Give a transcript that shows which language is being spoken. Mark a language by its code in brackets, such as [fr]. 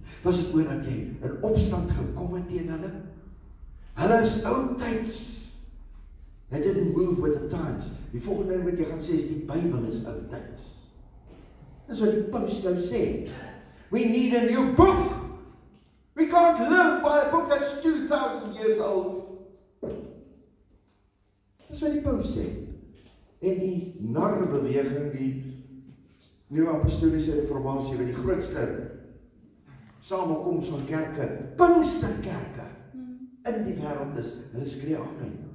[af] Was dit oor dat jy in opstand gekom het teen hulle? Hulle is oudtyd. [en] They didn't move with the times. [af] Die volgende ding wat jy gaan sê is die Bybel is oudtyd. Dis wat die Paulus nou sê. [en] We need a new book. We can't live by a book that's 2000 years old. [af] Dis wat die Paulus sê. En die narbeweging, die nuwe apostoliese reformatie, wat die grootste samekoms van kerke, Pinksterkerke in die wêreld is, hulle skree amen.